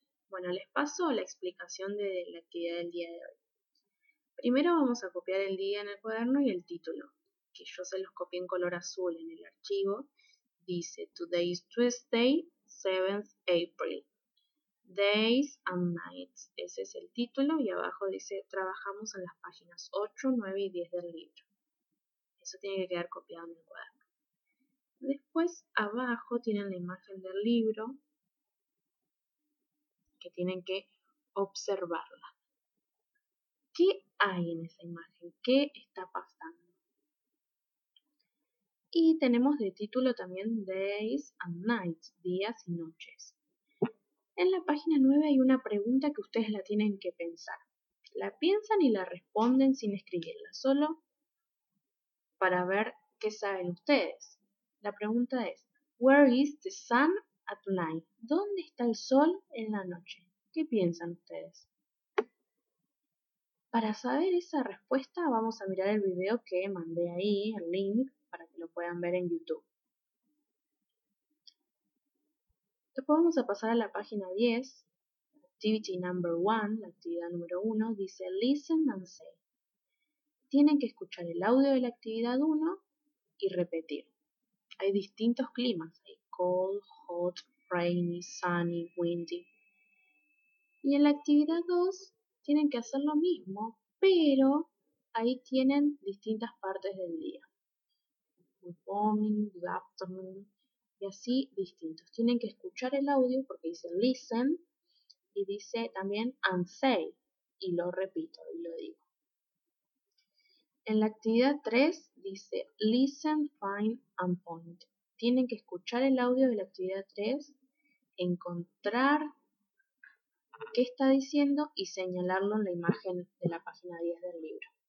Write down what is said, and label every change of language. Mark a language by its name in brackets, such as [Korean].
[Spanish] Bueno, les paso la explicación de la actividad del día de hoy. Primero vamos a copiar el día en el cuaderno y el título, que yo se los copié en color azul en el archivo. Dice, [English] today is Tuesday, 7th April. Days and nights. [Spanish] Ese es el título y abajo dice, trabajamos en las páginas 8, 9 y 10 del libro. Eso tiene que quedar copiado en el cuaderno. Después, abajo tienen la imagen del libro, que tienen que observarla. ¿Qué hay en esa imagen? ¿Qué está pasando? Y tenemos de título también [English] Days and Nights, [Spanish] días y noches. En la página 9 hay una pregunta que ustedes la tienen que pensar. La piensan y la responden sin escribirla, solo para ver qué saben ustedes. La pregunta es, [English] Where is the sun at night? [Spanish] ¿Dónde está el sol en la noche? ¿Qué piensan ustedes? Para saber esa respuesta vamos a mirar el video que mandé ahí, el link, para que lo puedan ver en YouTube. Después vamos a pasar a la página 10, [English] activity number 1, [Spanish] la actividad número 1, dice [English] listen and say. [Spanish] Tienen que escuchar el audio de la actividad 1 y repetir. Hay distintos climas, hay [English] cold, hot, rainy, sunny, windy. [Spanish] Y en la actividad 2 tienen que hacer lo mismo, pero ahí tienen distintas partes del día. [English] Good morning, good afternoon. [Spanish] Y así distintos. Tienen que escuchar el audio porque dice [English] listen [Spanish] y dice también [English] and say. [Spanish] Y lo repito y lo digo. En la actividad 3 dice [English] listen, find and point. [Spanish] Tienen que escuchar el audio de la actividad 3, encontrar qué está diciendo y señalarlo en la imagen de la página 10 del libro.